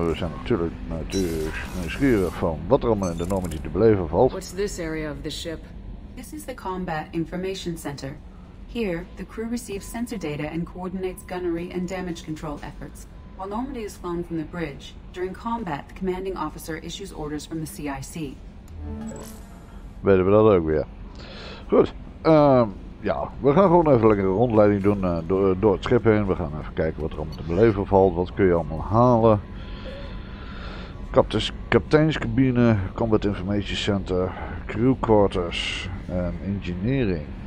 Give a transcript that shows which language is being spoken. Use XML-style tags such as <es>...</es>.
<nl>We zijn natuurlijk nieuwsgierig van wat er allemaal in de Normandy te beleven valt.</nl> <en>What's this area of the ship? This is the Combat Information Center. Here, the crew receives sensor data and coordinates gunnery and damage control efforts. While Normandy is flown from the bridge, during combat, the commanding officer issues orders from the CIC.</en> <nl>Weten we dat ook weer. Goed, we gaan gewoon even lekker een rondleiding doen door het schip heen. We gaan even kijken wat er allemaal te beleven valt, wat kun je allemaal halen. Kapiteinscabine, Combat Information Center, Crew Quarters en Engineering.</nl>